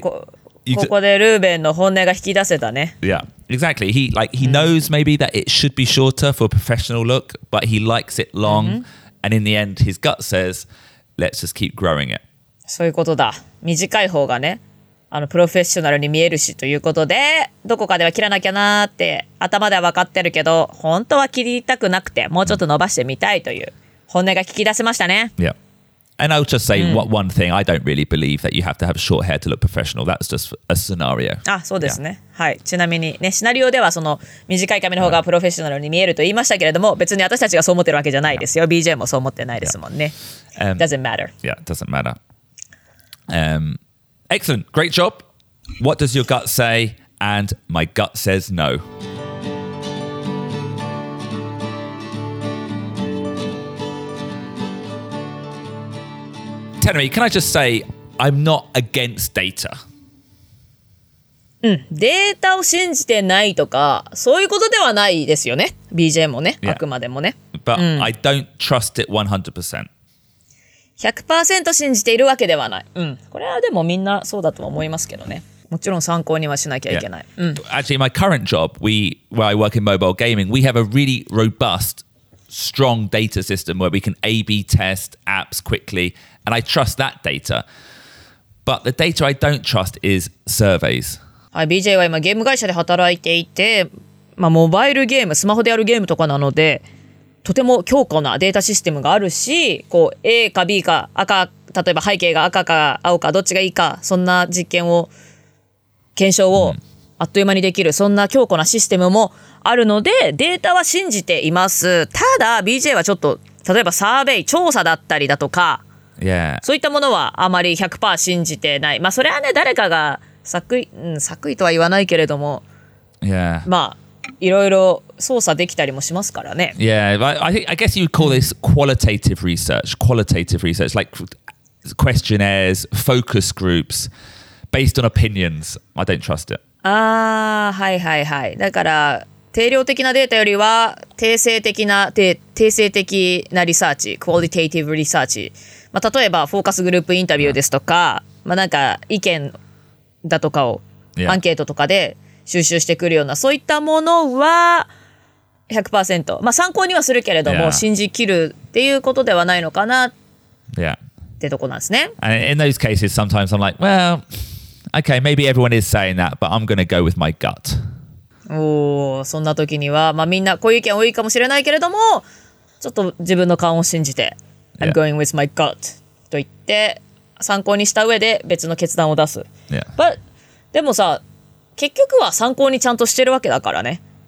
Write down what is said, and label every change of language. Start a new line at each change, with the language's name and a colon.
Japanese: ここでルーベンの本音が引き出せたね。
English: Yeah, exactly. He, like, he knows maybe that it should be shorter for a professional look, but he likes it long. And in the end, his gut says, let's just keep growing it.
Japanese: そういうことだ。短い方がね、あのプロフェッショナルに見えるしということで、どこかでは切らなきゃなって頭では分かってるけど、本当は切りたくなくて、もうちょっと伸ばしてみたいという本音が引き出せましたね。
English: Yeah. And I'll just say one thing. I don't really believe that you have to have short hair to look professional. That's just a scenario. Ah, so this, yeah. Hi.
Japanese: ちなみにね、 シナリオではその短い髪の方がプロフェッショナルに見えると言いましたけれども、別に私たちがそう思ってるわけじゃないですよ。 BJ もそう思ってないですもんね。
English: Doesn't matter. Yeah, it doesn't matter. Excellent. Great job. What does your gut say? And my gut says no. Can I just say, I'm not against data.
Japanese: Data を信じてないとか、そういうことではないですよね。 BJ もね、あくまでもね。
English: But I don't trust it 100%.
Japanese: 100% 信じているわけではない。うん。これはでもみんなそうだと思いますけどね。もちろん参考にはしなきゃいけない。
English: Actually, my current job, where I work in mobile gaming, we have a really robust, strong data system where we can A/B test apps quickly. And I trust that data. But the data I don't trust is surveys.
Japanese: はい、BJ は今ゲーム会社で働いていて、まあ、モバイルゲーム、スマホでやるゲームとかなので、とても強固なデータシステムがあるし、こう A か B か赤、例えば背景が赤か青かどっちがいいか、そんな実験を、検証をあっという間にできる、そんな強固なシステムもあるので、データは信じています。ただ、BJ はちょっと、例えばサーベイ、調査だったりだとか、
English: Yeah.
Japanese: そういったものはあまり 100% 信じてない。まあそれはね、誰かが作為とは言わないけれども、
English: yeah.
Japanese: まあいろいろ操作できたりもしますからね。
English: Yeah, I think, I guess you would call this qualitative research. Qualitative research, like questionnaires, focus groups, based on opinions. I don't trust it.
Japanese: ああ、はいはいはい。だから定量的なデータよりは定性的な定性的なリサーチ、
English: qualitative research。
Japanese: まあ、例えばフォーカスグループインタビューですとか、まあ、なんか意見だとかをアンケートとかで収集してくるような、yeah. そういったものは 100%、まあ、参考にはするけれども、yeah. 信じきるっていうことではないのかなってとこなんですね、 yeah.
English: And in those cases sometimes I'm like well okay maybe everyone is saying that but I'm gonna go with my gut
Japanese: そんな時には、まあ、みんなこういう意見多いかもしれないけれどもちょっと自分の勘を信じて
English: I'm going with my gut
Japanese: と言って参考にした上で別の決断を出す。
English: Yeah.
Japanese: But, でもさ、結局は参考にちゃんとしてるわけだからね。